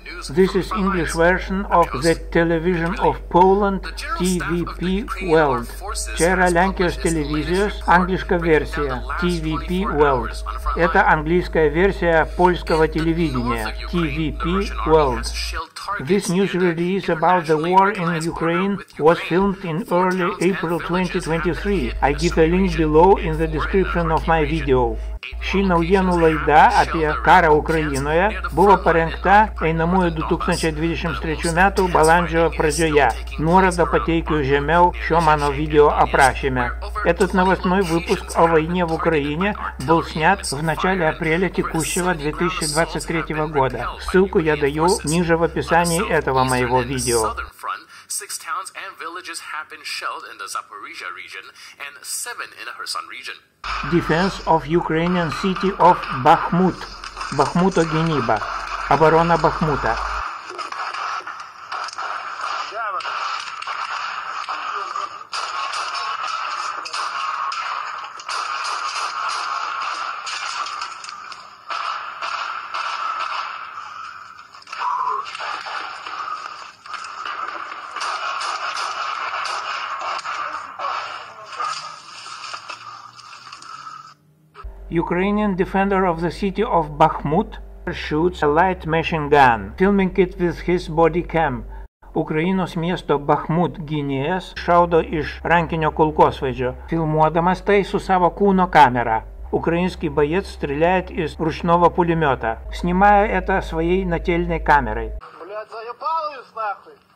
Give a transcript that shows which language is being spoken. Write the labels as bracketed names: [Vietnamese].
[English] This is English version of the television of Poland, TVP World. [Lithuanian] Вчера Lenkijos televizijos, angliška versija, TVP World. [Russian] Это английская версия польского телевидения, TVP World. [English] This news release about the war in Ukraine was filmed in early April 2023. I give a link below in the description of my video. [Lithuanian] Ši naujienų laida apie karą Ukrainoje buvo parengta einamųjų 2023 metų balandžio pradžioje. Nuorodą pateikiu žemiau šio mano video aprašyme. [Russian] Этот новостной выпуск о войне в Украине был снят в начале апреля текущего 2023 года. Ссылку я даю ниже в описании этого моего видео. [English] Six towns and villages have been shelled in the Zaporizhia region and seven in the Kherson region. Defense of Ukrainian city of Bakhmut. Бахмута Геніба. [Russian] Оборона Бахмута. [English] Ukrainian defender of the city of Bakhmut shoots a light machine gun, filming it with his body cam. [Lithuanian] Ukrainos miesto Bakhmut gynėjas šaudo iš rankinio kulkosvaidžio, filmuodamas tai su savo kūno kamera. [Russian] Украинский боец стреляет из ручного пулемета, снимая это своей нательной камерой. Блядь, заебалуюсь нахуй!